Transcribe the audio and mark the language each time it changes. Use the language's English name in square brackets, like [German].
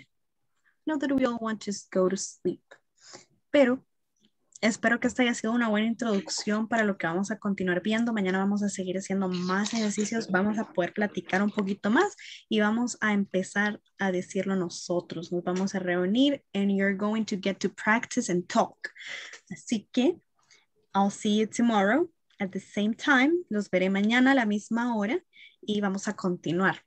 [English] I know that we all want to just go to sleep. [Spanish] Pero espero que esta haya sido una buena introducción para lo que vamos a continuar viendo. Mañana vamos a seguir haciendo más ejercicios. Vamos a poder platicar un poquito más y vamos a empezar a decirlo nosotros. Nos vamos a reunir [English] and you're going to get to practice and talk. [Spanish] Así que [English] I'll see you tomorrow at the same time. [Spanish] Los veré mañana a la misma hora y vamos a continuar.